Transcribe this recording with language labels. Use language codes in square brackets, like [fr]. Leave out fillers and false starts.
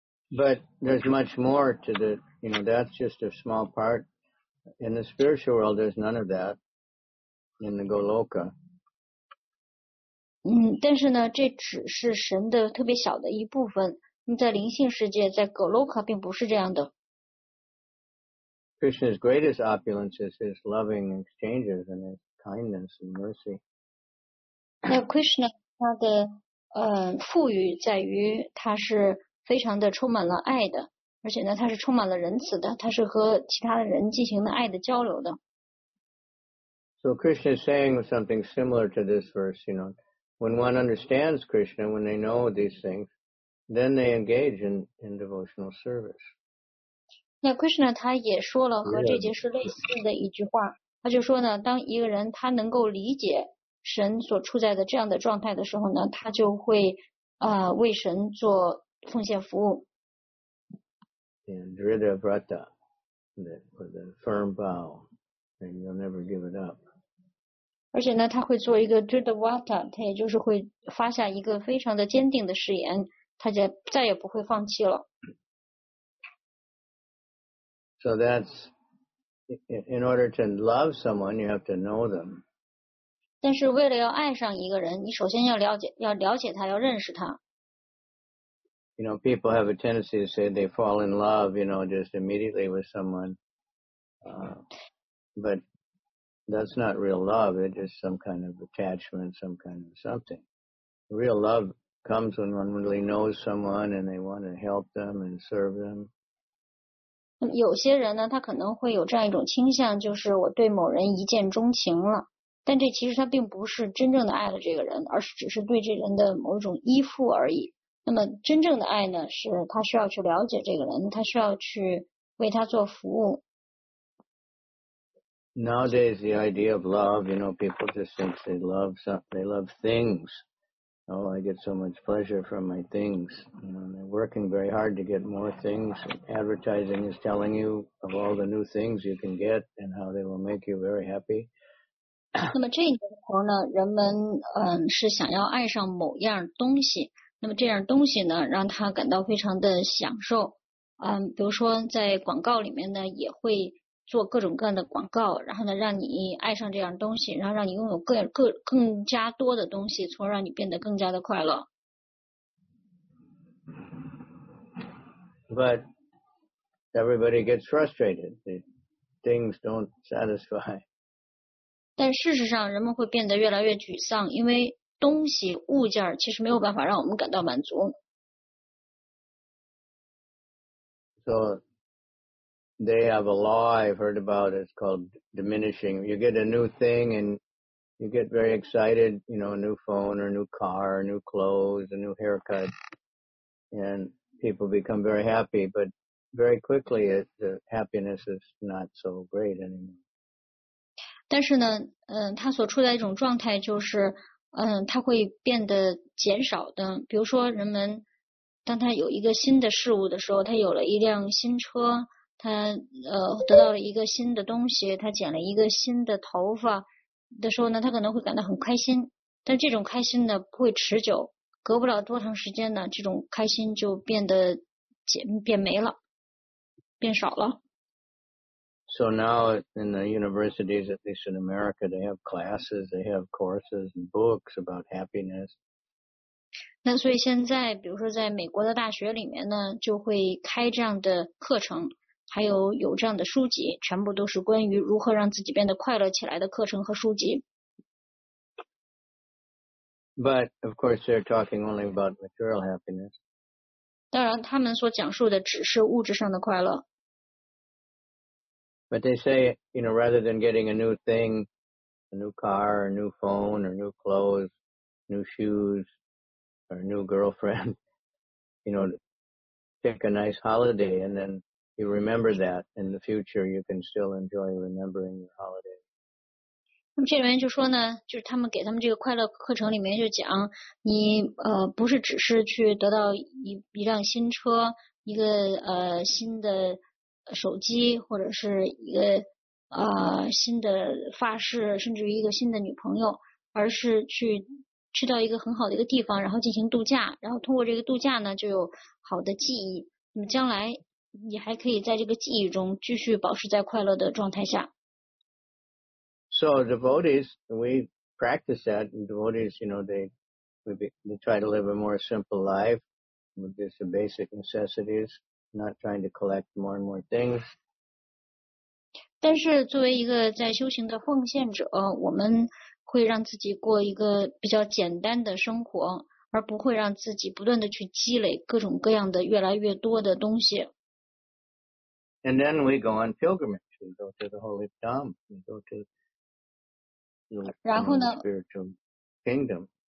[en] But there's much more to the, you know, that's just a small part. In the spiritual world, there's none of that. In the Goloka. [zh] 但是呢这只是神的特别小的一部分，在灵性世界，在格洛克并不是这样的。 [en] Krishna's greatest opulence is his loving exchanges and his kindness and mercy. [zh] 那 Krishna 他的富裕在于他是非常的充满了爱的，而且呢他是充满了仁慈的，他是和其他的人进行了爱的交流的。 [en] So Krishna is saying something similar to this verse, you know,When one understands Krishna, when they know these things, then they engage in devotional service. [zh] 那 Krishna 他也说了和这节是类似的一句话，他就说呢，当一个人他能够理解神所处在的这样的状态的时候呢，他就会为神做奉献服务。 [en] And Dhrida Vrata, with a firm vow, and you'll never give it up. [zh] 而且呢他会做一个 Dhrida Vrata, 他也就是会发下一个非常的坚定的誓言，他就再也不会放弃了。 [en] So that's, in order to love someone, you have to know them. [zh] 但是为了要爱上一个人，你首先要了解他，要认识他。 [en] You know, people have a tendency to say they fall in love, you know, just immediately with someone. But,That's not real love, it's just some kind of attachment, some kind of something. Real love comes when one really knows someone and they want to help them and serve them. [zh] 有些人呢，他可能会有这样一种倾向，就是我对某人一见钟情了，但这其实他并不是真正的爱了这个人，而是只是对这人的某一种依附而已。那么真正的爱呢，是他需要去了解这个人，他需要去为他做服务。 [en] Nowadays, the idea of love, you know, people just think they love some, they love things. Oh, I get so much pleasure from my things. You know, they're working very hard to get more things. Advertising is telling you of all the new things you can get and how they will make you very happy. [zh] 那么这一年头呢，人们是想要爱上某样东西。那么这样东西呢，让他感到非常的享受。比如说在广告里面呢，也会做各种各样的广告，然后呢，让你爱上这样东西，然后让你拥有更加多的东西，从而让你变得更加的快乐。 [en] But everybody gets frustrated. The things don't satisfy. [zh] 但事实上，人们会变得越来越沮丧，因为东西、物件其实没有办法让我们感到满足。 [en] So. They have a law I've heard about, it's called diminishing. You get a new thing and you get very excited, you know, a new phone or a new car, or new clothes, a new haircut, and people become very happy, but very quickly the happiness is not so great anymore. [zh] 但是呢，它所处在一种状态就是，它会变得减少的。比如说人们，当他有一个新的事物的时候，他有了一辆新车，他得到了一个新的东西，他剪了一个新的头发的时候呢，他可能会感到很开心，但这种开心呢不会持久，隔不了多长时间呢，这种开心就变没了，变少了。 [en] So now in the universities, at least in America, they have classes, they have courses and books about happiness. [zh] 那所以现在，比如说在美国的大学里面呢，就会开这样的课程。还有这样的书籍，全部都是关于如何让自己变得快乐起来的课程和书籍。 [en] But of course, they're talking only about material happiness. [zh] 当然，他们所讲述的只是物质上的快乐。 [en] But they say, you know, rather than getting a new thing, a new car, a new phone, or new clothes, new shoes, or a new girlfriend, you know, take a nice holiday and then. You remember that in the future, you can still enjoy remembering your holiday. [zh] 那么这里面就说呢，就是他们给他们这个快乐课程里面就讲，你不是只是去得到一辆新车，一个新的手机，或者是一个新的发饰，甚至于一个新的女朋友，而是去到一个很好的一个地方，然后进行度假，然后通过这个度假呢，就有好的记忆。那么将来。你还可以在这个记忆中继续保持在快乐的状态下。 [en] So devotees, we practice that. And devotees, you know, they try to live a more simple life with just the basic necessities, not trying to collect more and more things. [zh] 但是作为一个在修行的奉献者，我们会让自己过一个比较简单的生活，而不会让自己不断的去积累各种各样的越来越多的东西。 [en] And then we go on pilgrimage. We go to the Holy Dham. We go to the spiritual kingdom.